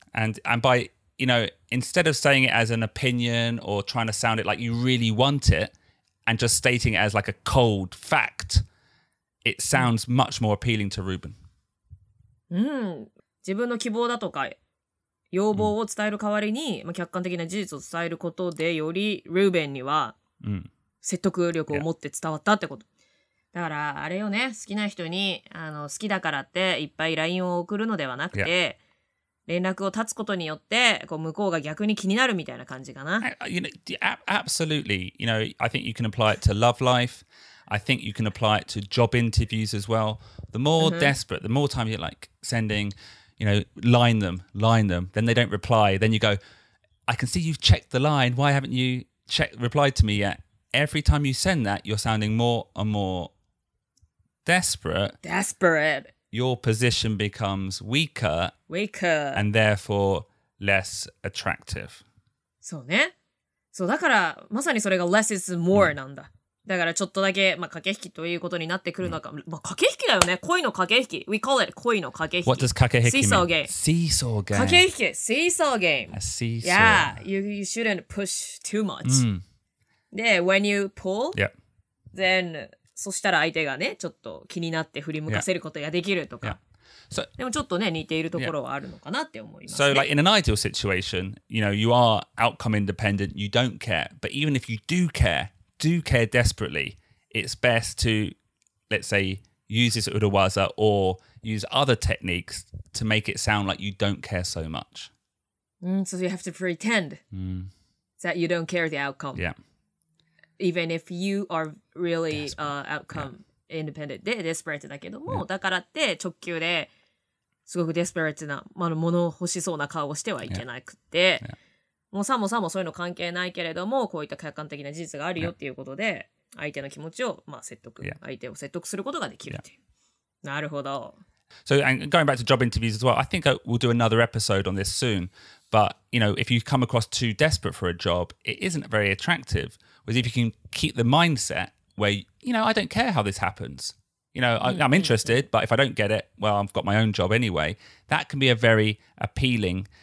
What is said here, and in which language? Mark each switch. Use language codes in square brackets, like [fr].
[en] And by, you know, instead of saying it as an opinion or trying to sound it like you really want it and just stating it as like a cold fact... It sounds much more appealing to Ruben. [ja] うん、自分の希望だとか要望を伝える代わりに、まあ、客観的な事実を伝えることでより Ruben には説得力を持って伝わったってこと。だからあれよね、好きな人に好きだからっていっぱい LINE を送るのではなくて、連絡を断つことによってこう向こうが逆に気になるみたいな感じかな。 [en] You know, absolutely. You know, I think you can apply it to love life. I think you can apply it to job interviews as well. The more desperate, the more time you're like sending, you know, line them, then they don't reply. Then you go, I can see you've checked the line. Why haven't you replied to me yet? Every time you send that, you're sounding more and more desperate. Your position becomes weaker, and therefore less attractive. [ja] そうね。そうだからまさにそれが [en] less is more [ja] なんだ。だからちょっとだけ、まあ、駆け引きということになってくるのか、まあ、駆け引きだよね恋の駆け引き [en] We call it [ja] 恋の駆け引き [en] What does 駆け引き mean? [ja] シーソーゲーム [en] Seesaw game 駆け引き Seesaw game A seesaw Yeah you shouldn't push too much、 mm. で When you pull Yeah [ja] Then そしたら相手がねちょっと気になって振り向かせることができるとか、 [en] yeah. so, [ja] でもちょっとね似ているところはあるのかなって思います、ね、 [en] So like in an ideal situation You know you are outcome independent You don't care But even if you do careDo care desperately, it's best to, let's say, use this urawaza or use other techniques to make it sound like you don't care so much. Mm, so you have to pretend that you don't care the outcome. Yeah. Even if you are really outcome independent, [ja] で desperate だけども、だからって直球ですごく desperate な、まあ、物を欲しそうな顔をしてはいけなくて。 [en] Yeah. Yeah. [ja] もうさもさもそういうの関係ないけれども、こういった客観的な事実があるよっていうことで、相手の気持ちを、まあ、説得、相手を説得することができるっていう。なるほど。 [en] So, and going back to job interviews as well, I think we'll do another episode on this soon, but, you know, if you come across too desperate for a job, it isn't very attractive, whereas if you can keep the mindset where, you know, I don't care how this happens, you know, I'm interested, but if I don't get it, well, I've got my own job anyway, that can be a very appealing...